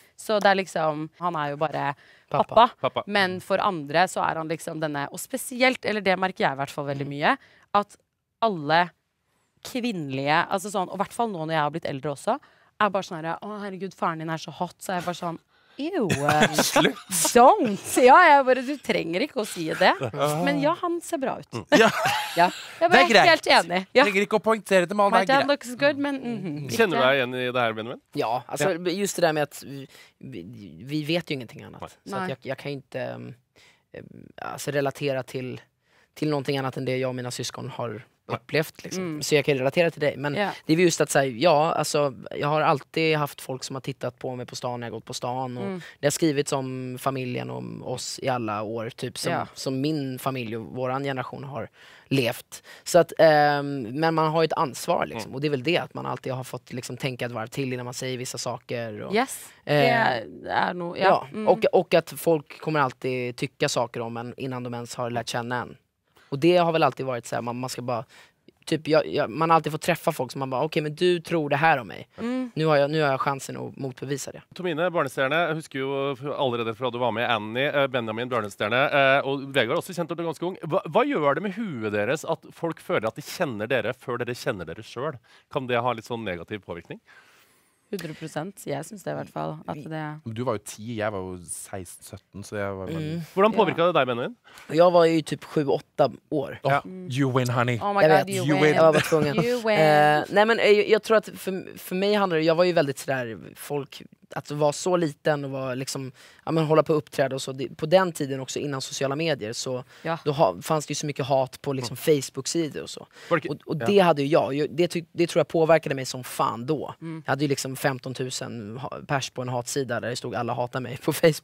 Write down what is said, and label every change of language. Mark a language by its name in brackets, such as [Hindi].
[Norwegian] Så det er liksom, han er jo bare pappa. Men for andre så er han liksom denne, og spesielt, eller det merker jeg i hvert fall veldig mye, at alle kvinnelige, altså sånn, og i hvert fall nå når jeg har blitt eldre også, er bare sånn, herregud, faren din er så hot, så er jeg bare sånn, Slutt! Ja, jeg bare, du trenger ikke å si det. Men ja, han ser bra ut. Ja. Jeg bare er helt enig. Jeg trenger ikke å poengtere til mannen. [English] My dad looks good, [Norwegian] men... Kjenner du deg igjen i det her, Benjamin? Ja, altså, just det der med at vi vet jo ingenting annet. Så at jeg kan ikke [Swedish] relatera till någonting annat än det jag och mina syskon har upplevt. Liksom. Mm. Så jag kan relatera till dig. Men det är just att säga, ja, alltså, jag har alltid haft folk som har tittat på mig på stan när jag gått på stan. Och det har skrivits om familjen och oss i alla år. Typ, som min familj och våran generation har levt. Så att, men man har ett ansvar. Liksom, och det är väl det att man alltid har fått liksom, tänka ett varv till innan man säger vissa saker. Och, yes, det är nog... Ja. Ja. Mm. Och att folk kommer alltid tycka saker om en innan de ens har lärt känna en. Och det har väl alltid varit så här, man ska bara typ man alltid får träffa folk som man bara okej, men du tror det här om mig. Mm. Nu har jag chansen att motbevisa det. Tomine Barnestjerne, jag [Norwegian] husker ju allerede [Swedish] för att du var med Annie, Benjamin Barnestjerne och Vegard också känt dig ganska ung. Vad gör det med huvudet deras att folk föredrar att de känner dere för det de känner dere själv? Kan det ha lite sån negativ påverkan? [Norwegian] 100%, jeg synes det i hvert fall. At det... Du var jo 10, jeg var jo 16-17, så jeg var... Hvordan påvirket det deg, Benjamin? Jeg var jo typ 7-8 år. [English] Oh, you win, honey. Oh my god, you win. [Norwegian] Jeg var bare tvungen. [English] You win. [Norwegian] Nei, men jeg tror at for meg handler det... Jeg var jo veldig sånn der folk... [Swedish] att vara så liten och vara liksom, ja, men hålla på och uppträda och så, det, på den tiden också innan sociala medier så ja. Då fanns det ju så mycket hat på liksom Facebook-sidor och så. Och det ja. Hade ju jag. Det tror jag påverkade mig som fan då. Mm. Jag hade ju liksom 15 000 pers på en hatsida där det stod alla hatar mig på Facebook.